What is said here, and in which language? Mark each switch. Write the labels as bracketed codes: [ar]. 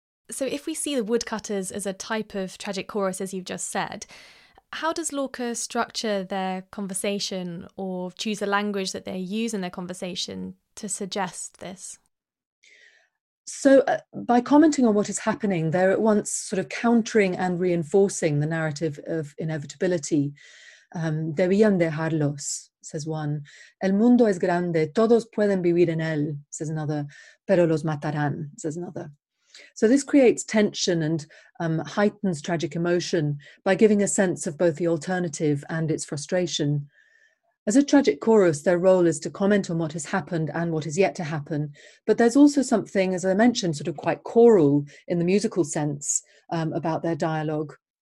[en] So if we see the woodcutters as a type of tragic chorus, as you've just said, how does Lorca structure their conversation or choose the language that they use in their conversation to suggest this? So by commenting on what is happening, they're at once sort of countering and reinforcing the narrative of inevitability. [es] Debían dejarlos, [en] says one. [es] El mundo es grande, todos pueden vivir en él, [en] says another. [es] Pero los matarán, [en] says another. So this creates tension and heightens tragic emotion by giving a sense of both the alternative and its frustration. As a tragic chorus, their role is to comment on what has happened and what is yet to happen. But there's also something, as I mentioned, sort of quite choral in the musical sense about their dialogue.